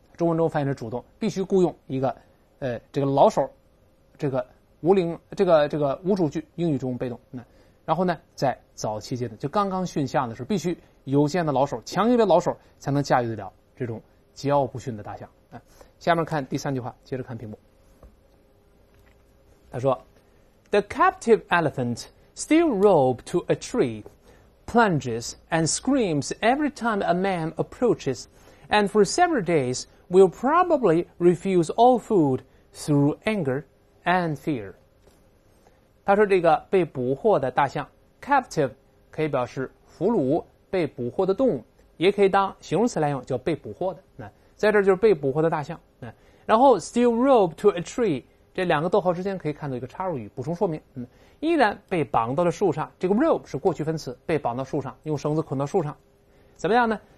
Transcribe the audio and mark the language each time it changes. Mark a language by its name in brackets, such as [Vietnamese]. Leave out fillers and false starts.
[Chinese] 周文忠翻译成主动，必须雇用一个这个老手，这个无龄，这个无主句，英语中被动。然后呢，在早期阶段，就刚刚驯象的时候，必须有限的老手，强有力的老手才能驾驭得了这种桀骜不驯的大象。下面看第三句话，接着看屏幕。他说 ：“ [English] The captive elephant, still roped to a tree, plunges and screams every time a man approaches, and for several days will probably refuse all food through anger and fear.” [Chinese] 他说：“这个被捕获的大象 ，captive 可以表示俘虏、被捕获的动物，也可以当形容词来用，叫被捕获的。那在这就是被捕获的大象。” 然后 [English] still roped to a tree [Chinese] 这两个逗号之间可以看到一个插入语补充说明，依然被绑到了树上，这个 rope 是过去分词，被绑到树上，用绳子捆到树上，怎么样呢？